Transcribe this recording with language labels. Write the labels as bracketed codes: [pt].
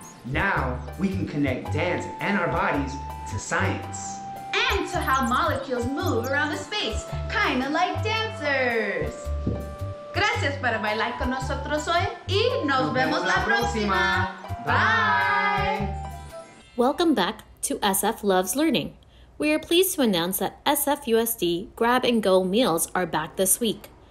[en] Now we can connect dance and our bodies to science. And to how molecules move around the space, kind of like dancers. [es] Gracias por bailar con nosotros hoy y nos vemos la próxima. [en] Bye. Welcome back to SF Loves Learning. We are pleased to announce that SFUSD Grab and Go meals are back this week.